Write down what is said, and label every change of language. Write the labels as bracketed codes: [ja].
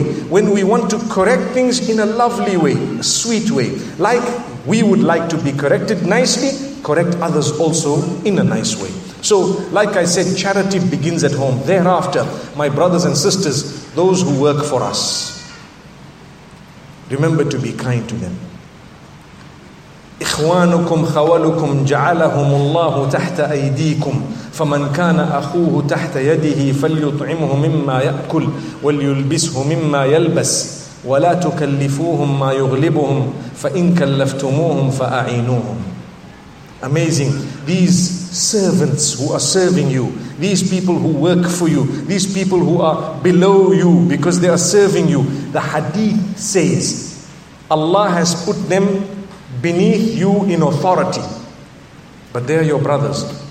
[en] When we want to correct things in a lovely way, a sweet way, like we would like to be corrected nicely, correct others also in a nice way. So, like I said, charity begins at home. Thereafter, my brothers and sisters, those who work for us, remember to be kind to them. [ar] إخوانكم خوالكم جعلهم الله تحت أيديكم فمن كان أخوه تحت يده فليطعمه مما يأكل وليلبسه مما يلبس ولا تكلفوهم ما يغلبهم فإن كلفتموهم فأعينوهم. [en] Amazing. These servants who are serving you, these people who work for you, these people who are below you because they are serving you. The hadith says, Allah has put them beneath you in authority. But they are your brothers.